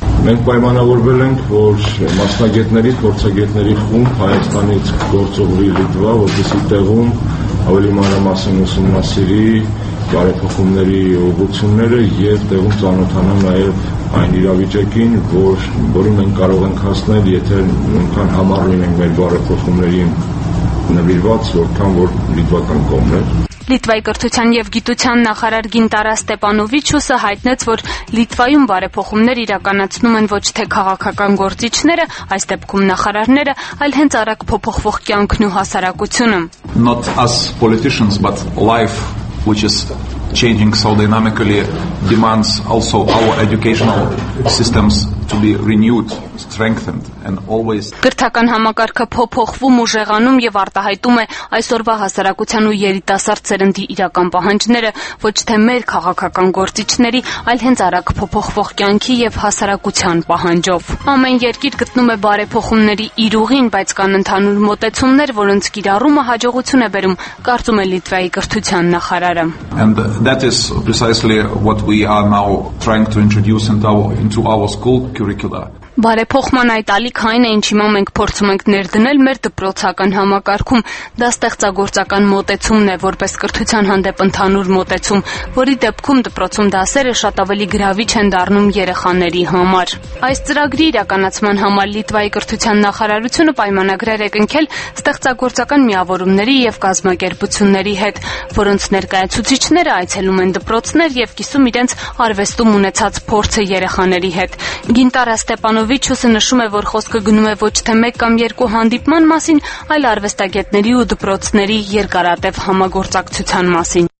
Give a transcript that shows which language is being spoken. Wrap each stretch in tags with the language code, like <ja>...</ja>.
<hy>Մենք պայմանավորվել ենք, որ մասնագետների, փորձագետների խումբ Հայաստանից գործողի Լիտվա, որպեսզի տեղում ավելի մանրամասն ուսումնասիրի բարեփոխումների ուղղությունները և տեղում ծանոթանա նաև այն իրավիճակին, որին մենք կարող ենք հասնել, եթե նույնքան համառ լինենք մեր բարեփոխումների նվիրված, որքան որ լիտվական կողմն է։ Լիտվայի կրթության և գիտության նախարար Գինտարա Ստեպանովիչուսը հայտնեց, որ Լիտվայում բարեփոխումներ իրականացնում են ոչ թե քաղաքական գործիչները, այս դեպքում նախարարները, այլ հենց արագ փոփոխվող կյանքն ու հասարակությունը։</hy> <en>Not as politicians, but life, which is changing so dynamically, demands also our educational systems to be renewed, strengthened.</en> <hy>Կրթական համակարգը փոփոխվում ու ժեղանում և արտահայտում է այսօրվա հասարակության ու երիտասարդ ծերնդի իրական պահանջները, ոչ թե մեր քաղաքական գործիչների, այլ հենց արագ փոփոխվող կյանքի և հասարակության պահանջով։ Ամեն երկիր գտնում է բարեփոխումների իր ուղին, բայց կան ընդհանուր մոտեցումներ, որոնց կիրառումը հաջողություն է բերում, կարծում է Լիտվայի կրթության նախարարը։</hy> <en>And that is precisely what we are now trying to introduce into our school curricula.</en> <hy>Բարեփոխման այդ ալիքային է, ինչ հիմա մենք փորձում ենք ներդնել մեր դպրոցական համակարգում, դա ստեղծագործական մոտեցումն է, որպես կրթության հանդեպ ընդհանուր մոտեցում, որի դեպքում դպրոցում դասերը շատ ավելի գրավիչ են դառնում երեխաների համար։ Այս ծրագրի իրականացման համար Լիտվայի կրթության նախարարությունը պայմանագրեր է կնքել ստեղծագործական միավորումների և կազմակերպությունների հետ, որոնց ներկայացուցիչները այցելում են դպրոցներ և կիսում իրենց արվեստում ունեցած փորձը երեխաների հետ։ Գինտարա Ստեպանովիչուսը նշում է, որ խոսքը գնում է ոչ թե մեկ կամ երկու հանդիպման մասին, այլ արվեստագետների ու դպրոցների երկարատև համագործակցության մասին։</hy>